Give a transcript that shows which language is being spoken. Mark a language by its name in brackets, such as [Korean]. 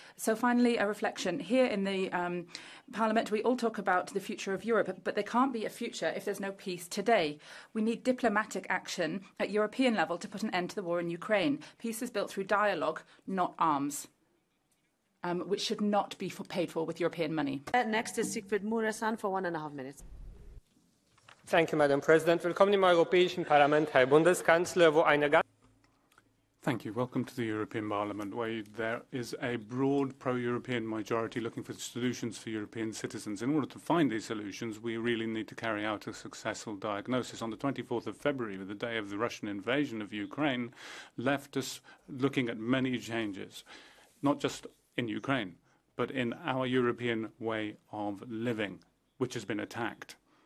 [English] So finally, a reflection. Here in the Parliament, we all talk about the future of Europe, but there can't be a future if there's no peace today. We need diplomatic action at European level to put an end to the war in Ukraine. Peace is built through dialogue, not arms, which should not be paid for with European money. Next is Siegfried Murasan for 1.5 minutes. Thank you, Madam President. [German] Willkommen im Europäischen Parlament, Herr Bundeskanzler, wo eine [English] Thank you. Welcome to the European Parliament, where there is a broad pro-European majority looking for solutions for European citizens. In order to find these solutions, we really need to carry out a successful diagnosis. On the 24th of February, the day of the Russian invasion of Ukraine, left us looking at many changes, not just in Ukraine, but in our European way of living, which has been attacked.